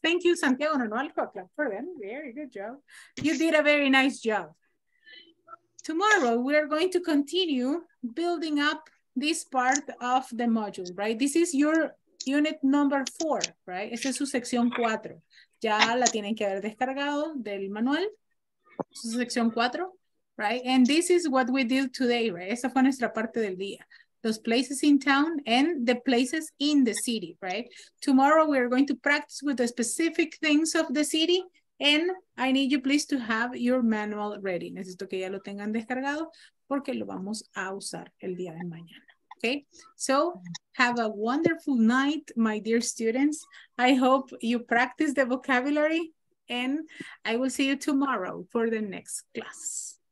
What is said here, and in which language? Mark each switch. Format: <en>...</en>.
<en>Thank you, Santiago Nonualco, clap for them. Very good job. You did a very nice job. tomorrow we are going to continue building up this part of the module, right? This is your unit number 4, right?</en> <es>Esta es su sección 4. Ya la tienen que haber descargado del manual. Su sección 4, right?</es> <en>And this is what we did today, right?</en> <es>Esa fue nuestra parte del día.</es> <en>Those places in town and the places in the city, right? Tomorrow we are going to practice with the specific things of the city. And I need you please to have your manual ready.</en> <es>Necesito que ya lo tengan descargado porque lo vamos a usar el día de mañana.</es> <en>Okay, so have a wonderful night, my dear students. I hope you practice the vocabulary and I will see you tomorrow for the next class.</en>